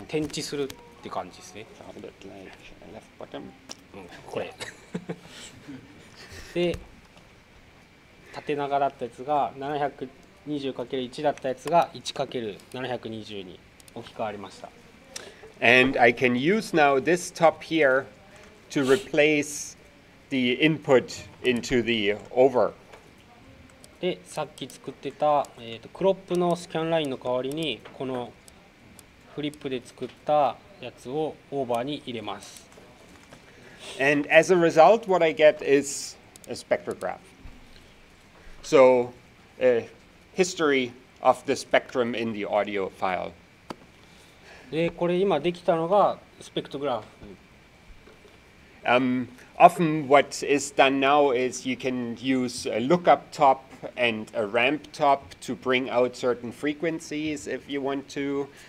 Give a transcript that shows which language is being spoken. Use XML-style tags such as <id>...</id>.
<ja>転置するって感じですね。</ja> <en>Hold it like left bottom.</en> <ja>これ。で、縦長だったやつが 720×1 だったやつが 1×720 に。置き換わりました。</ja> <en>And I can use now this top here to replace the input into the over.</en> <ja>で、さっき作ってた、クロップのスキャンラインの代わりにこのフリップで作ったやつをオーバーに入れます。</ja> <en>And as a result, what I get is a spectrograph. So a history of the spectrum in the audio file. Often what is done now is you can use a lookup top and a ramp top to bring out certain frequencies if you want to.</en>